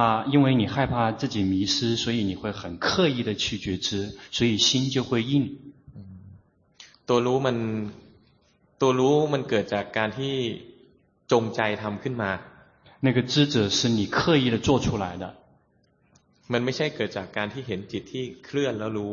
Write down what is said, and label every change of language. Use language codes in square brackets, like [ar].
[zh] 因为你害怕自己迷失所以你会很刻意的去觉知所以心就会硬 [th] ตัวรู้มันเกิดจากการที่จงใจทำขึ้นมา [zh] 那个知者是你刻意的做出来的 [th] มันไม่ใช่เกิดจากการที่เห็นจิตที่เคลื่อนแล้วรู